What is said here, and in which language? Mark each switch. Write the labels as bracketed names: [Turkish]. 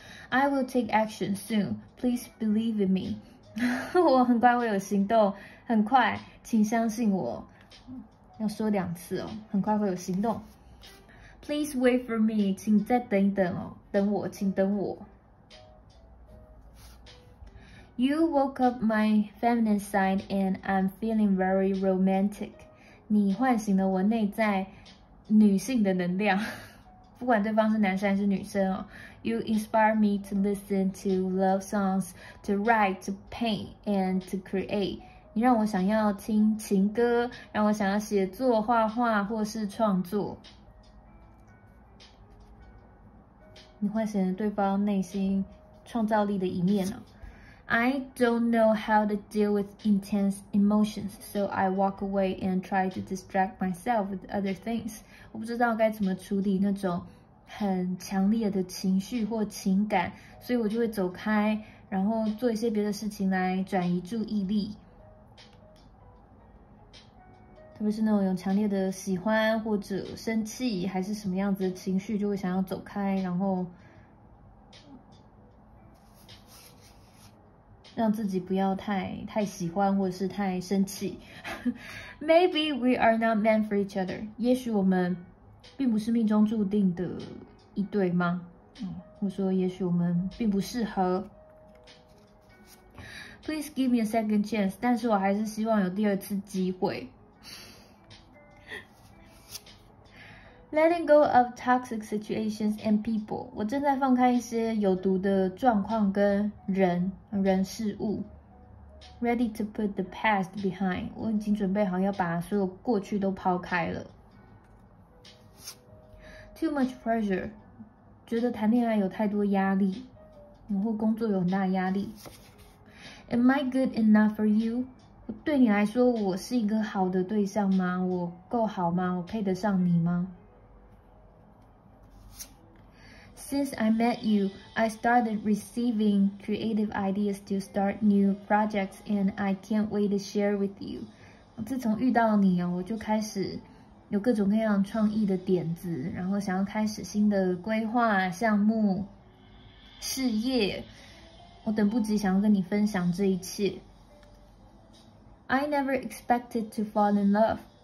[English] I will take action soon. Please believe in me. [Chinese] 我很快会有行动，很快，请相信我。要说两次哦，很快会有行动。 [English] Please wait for me. [Chinese] 请再等一等哦，等我，请等我。 [English] You woke up my feminine side and I'm feeling very romantic. [Chinese] 你唤醒了我内在女性的能量。不管对方是男生还是女生哦， [English] You inspire me to listen to love songs, to write, to paint, and to create。 [Chinese] 你让我想要听情歌，让我想要写作、画画或是创作。你唤醒了对方内心创造力的一面哦。 [English] I don't know how to deal with intense emotions, so I walk away and try to distract myself with other things。 [Chinese] 我不知道该怎么处理那种很强烈的情绪或情感，所以我就会走开，然后做一些别的事情来转移注意力。特别是那种有强烈的喜欢或者生气还是什么样子的情绪，就会想要走开，然后让自己不要太喜欢或者是太生气。 [English] Maybe we are not meant for each other。 [Chinese] 也许我们并不是命中注定的一对吗？或者说也许我们并不适合。 [English] Please give me a second chance。 [Chinese] 但是我还是希望有第二次机会。 [English] Letting go of toxic situations and people， [Chinese] 我正在放开一些有毒的状况跟人事物。 [English] Ready to put the past behind， [Chinese] 我已经准备好要把所有过去都抛开了。 [English] Too much pressure， [Chinese] 觉得谈恋爱有太多压力，然后工作有很大压力。 [English] Am I good enough for you？ [Chinese] 对你来说，我是一个好的对象吗？我够好吗？我配得上你吗？ [English] Since I met you, I started receiving creative ideas to start new projects, and I can't wait to share with you. [Chinese] 自从遇到你哦，我就开始有各种各样创意的点子，然后想要开始新的规划、项目、事业。我等不及想要跟你分享这一切。 [English] I never expected to fall in love.